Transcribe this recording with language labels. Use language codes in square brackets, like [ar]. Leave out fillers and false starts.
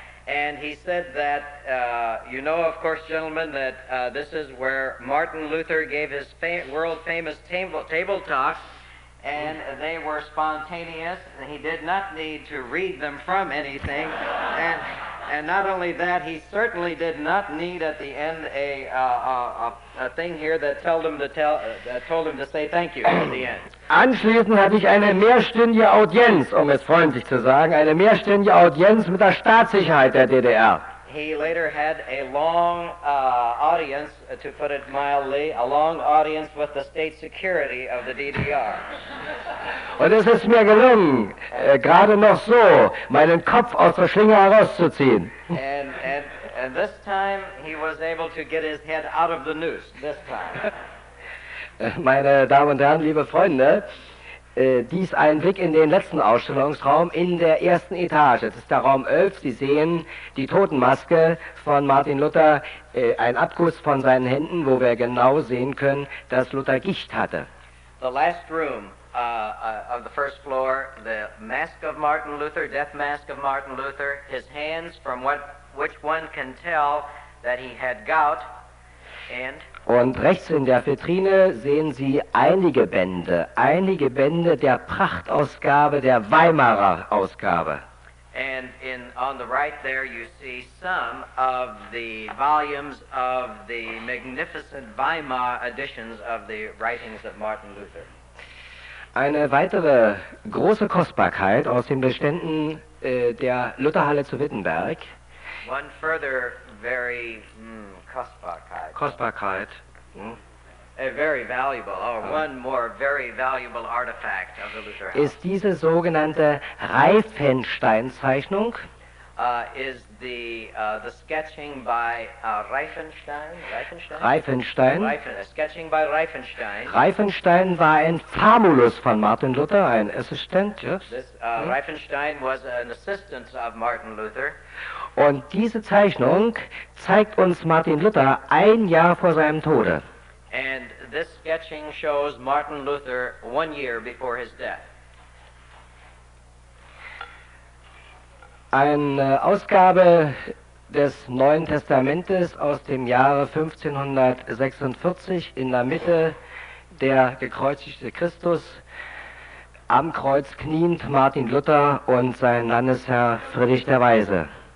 [en] And he said that, you know, of course, gentlemen, that this is where Martin Luther gave his world-famous table talk. And they were spontaneous, and he did not need to read them from anything. And not only that, he certainly did not need at the end a thing here that told him to say thank you at the end. [de] Anschließend hatte ich eine mehrstündige Audienz, um es freundlich zu sagen, eine mehrstündige Audienz mit der Staatssicherheit der DDR. [en] He later had a long audience, to put it mildly, a long audience with the state security of the DDR. [de] Und es ist mir gelungen, gerade noch so, meinen Kopf aus der Schlinge herauszuziehen. [en] And this time he was able to get his head out of the noose, this time. [de] Meine Damen und Herren, liebe Freunde, dies ein Blick in den letzten Ausstellungsraum in der ersten Etage. Das ist der Raum 11. Sie sehen die Totenmaske von Martin Luther, ein Abguss von seinen Händen, wo wir genau sehen können, dass Luther Gicht hatte. [en] The last room of the first floor, the mask of Martin Luther, death mask of Martin Luther, his hands, from which one can tell that he had gout, and... [de] Und rechts in der Vitrine sehen Sie einige Bände der Prachtausgabe, der Weimarer Ausgabe. [en] And on the right there you see some of the volumes of the magnificent Weimar editions of the writings of Martin Luther. [de] Eine weitere große Kostbarkeit aus den Beständen der Lutherhalle zu Wittenberg. [en] One further very [de] Kostbarkeit. Kostbarkeit. [en] A very valuable, or one more very valuable artifact of the Luther House. [de] Ist diese sogenannte Reifenstein-Zeichnung? [en] Is the sketching by Reifenstein? Reifenstein? Reifenstein. Sketching by Reifenstein. [de] Reifenstein war ein Famulus von Martin Luther, ein Assistent, [en] yes? Reifenstein was an assistant of Martin Luther. [de] Und diese Zeichnung zeigt uns Martin Luther ein Jahr vor seinem Tode. [en] And this sketching shows Martin Luther 1 year before his death. [de] Eine Ausgabe des Neuen Testamentes aus dem Jahre 1546, in der Mitte der gekreuzigte Christus, am Kreuz kniend Martin Luther und sein Landesherr Friedrich der Weise.